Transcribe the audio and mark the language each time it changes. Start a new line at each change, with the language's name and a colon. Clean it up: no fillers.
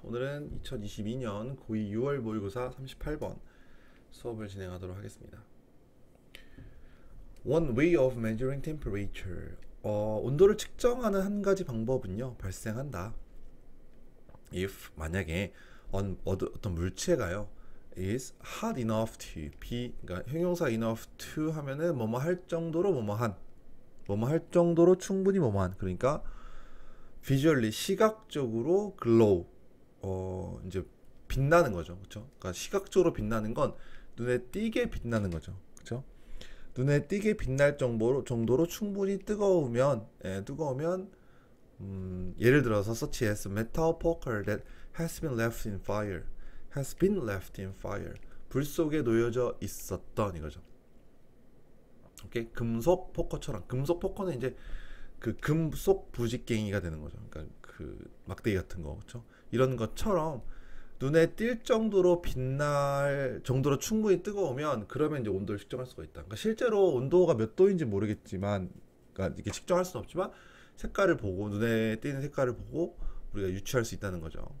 Korean: 오늘은 2022년 고2 6월 모의고사 38번 수업을 진행하도록 하겠습니다.
English: One way of measuring temperature.
Korean: 온도를 측정하는 한 가지 방법은요, 발생한다. If, 만약에 어떤 물체가요,
English: is hot enough to be,
Korean: 그러니까 형용사 enough to 하면은 뭐뭐 할 정도로 뭐뭐한, 뭐뭐 할 정도로 충분히 뭐뭐한, 그러니까 비주얼리 시각적으로 글로우 이제 빛나는 거죠. 그렇죠? 그러니까 시각적으로 빛나는 건 눈에 띄게 빛나는 거죠. 그렇죠? 눈에 띄게 빛날 정도로 충분히 뜨거우면 뜨거우면 예를 들어서
English: such as metal poker that has been left in fire
Korean: has been left in fire. 불 속에 놓여져 있었던 이거죠. 오케이? 금속 포커처럼 금속 포커는 이제 그 금속 부직갱이가 되는 거죠. 그러니까 그 막대기 같은 거, 그렇죠? 이런 것처럼 눈에 띌 정도로 빛날 정도로 충분히 뜨거우면 그러면 이제 온도를 측정할 수가 있다. 그러니까 실제로 온도가 몇 도인지 모르겠지만, 그러니까 이렇게 측정할 수는 없지만 색깔을 보고 눈에 띄는 색깔을 보고 우리가 유추할 수 있다는 거죠.